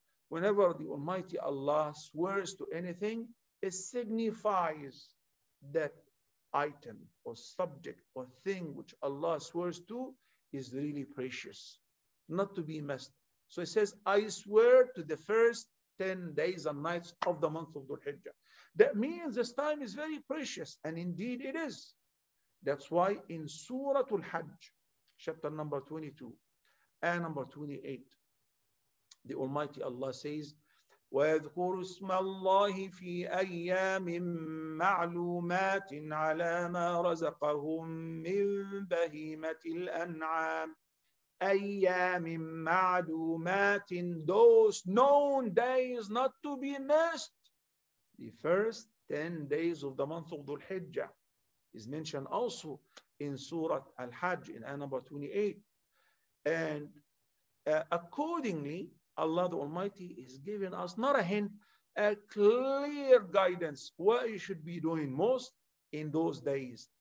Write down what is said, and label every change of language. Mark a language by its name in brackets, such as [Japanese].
[English] Whenever the Almighty Allah swears to anything, it signifies that item or subject or thing which Allah swears to is really precious, not to be missed. So it says, I swear to the first 10 days and nights of the month of Dhul Hijjah. That means this time is very precious, and indeed it is. That's why in Surah Al-Hajj, chapter number 22, and number 28, the Almighty Allah says, [Arabic] وَيَذْكُرُ اسْمَ اللَّهِ فِي أَيَّامٍ مَعْلُومَاتٍ [English] عَلَى مَا رَزَقَهُمْ مِنْ بَهِيمَةِ الْأَنْعَامِ أَيَّامٍ مَعْلُومَاتٍ. Those known days not to be missed. The first 10 days of the month of Dhul Hijjah is mentioned also in Surah Al-Hajj in ayah number 28. And accordingly, Allah the Almighty is giving us not a hint, a clear guidance what you should be doing most in those days.